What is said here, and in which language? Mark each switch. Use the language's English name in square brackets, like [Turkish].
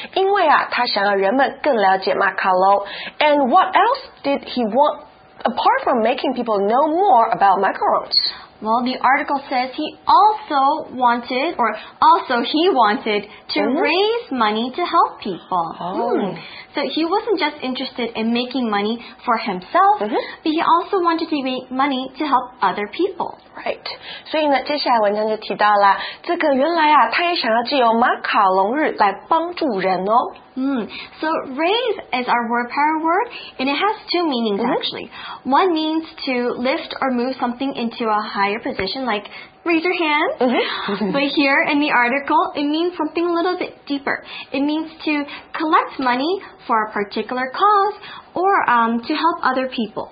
[Chinese] 因为啊，他想要人们更了解马卡龙。 [English] And what else did he want apart from making people know more about macarons? Well, the article says he also wanted, or also he wanted to、mm-hmm. raise money to help people. So he wasn't just interested in making money for himself,、mm-hmm. but he also wanted to make money to help other people. Right. [Chinese] 所以呢，接下来文章就提到了这个原来啊，他也想要借由马卡龙日来帮助人哦。 [English] So raise is our word pair word, and it has two meanings、mm-hmm. actually. One means to lift or move something into a higher position, like raise your hand.、 Mm-hmm. But here in the article, it means something a little bit deeper. It means to collect money for a particular cause or、to help other people.、